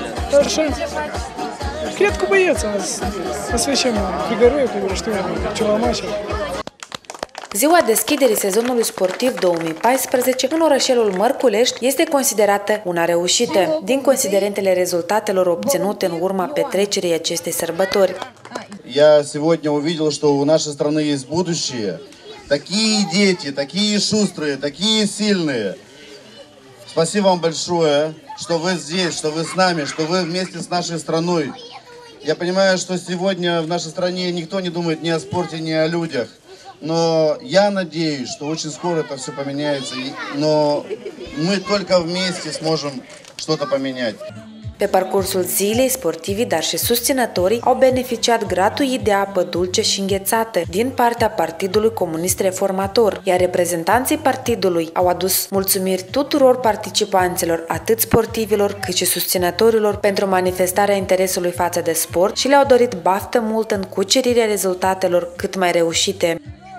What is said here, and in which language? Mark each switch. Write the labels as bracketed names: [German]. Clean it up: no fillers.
[Romanian] Dar așa, cred că băieța, să facem frigăruie cu știu, ceva mașină. Ziua deschiderii sezonului sportiv 2014 în orășelul Mărculești este considerată una reușită, din considerentele rezultatelor obținute în urma petrecerii acestei sărbători. [Russian] Я сегодня увидел, что у нашей страны есть будущее. Такие дети, такие шустрые, такие сильные. Спасибо вам большое, что вы здесь, что вы с нами, что вы вместе с нашей страной. Я понимаю, что сегодня в нашей стране никто не думает ни о спорте, ни о людях. Но я надеюсь, что очень скоро это все поменяется, но мы только вместе сможем что-то поменять. [Romanian] Pe parcursul zilei, sportivii, dar și susținătorii au beneficiat gratuit de apă dulce și înghețată din partea Partidului Comunist Reformator, iar reprezentanții partidului au adus mulțumiri tuturor participanților, atât sportivilor cât și susținătorilor, pentru manifestarea interesului față de sport și le-au dorit baftă mult în cucerirea rezultatelor cât mai reușite.